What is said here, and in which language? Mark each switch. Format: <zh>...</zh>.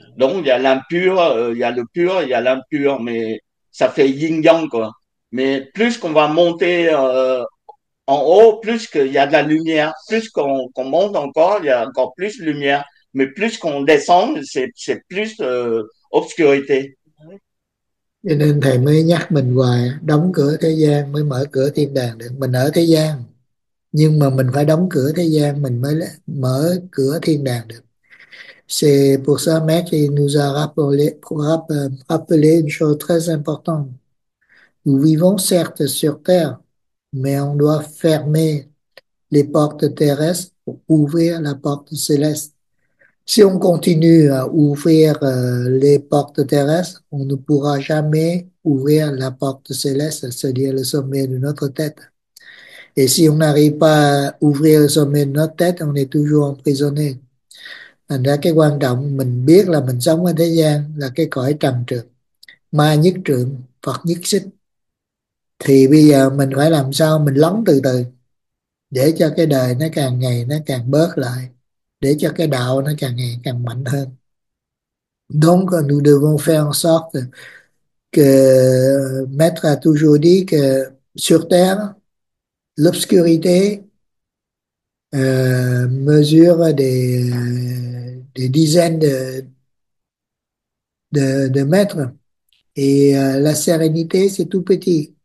<fr>Donc, il y a l'impur, il y a le pur, il y a l'impur, mais ça fait yin-yang, quoi. Mais plus qu'on va monter en haut, plus qu'il y a de la lumière, plus qu'on monte encore, il y a encore plus de lumière. Mais plus qu'on descend, c'est plus obscurité.</fr> <vi>Cho nên thầy mới nhắc mình hoài đóng cửa thế gian mới mở cửa thiên đàng được. Mình ở thế gian nhưng mà mình phải đóng cửa thế gian mình mới mở cửa thiên đàng được.</vi> <fr>C'est pour ça maître il nous a rappelé une chose très importante. Nous vivons certes sur terre, mais on doit fermer les portes terrestres pour ouvrir la porte céleste. Si on continue à ouvrir les portes terrestres, on ne pourra jamais ouvrir la porte céleste, c'est-à-dire le sommet de notre tête. Et si on n'arrive pas à ouvrir le sommet de notre tête, on est toujours emprisonné.</fr> <vi>Thành ra cái quan trọng mình biết là mình sống ở thế gian là cái cõi trần trược, ma nhất trượng, Phật nhất xích. Thì bây giờ mình phải làm sao mình lắng từ từ để cho cái đời nó càng ngày nó càng bớt lại, để cho cái đạo nó càng ngày càng mạnh hơn.</vi> <fr>Donc, nous devons faire en sorte que Maître a toujours dit que sur Terre, l'obscurité mesure des dizaines de mètres et la sérénité, c'est tout petit.</fr>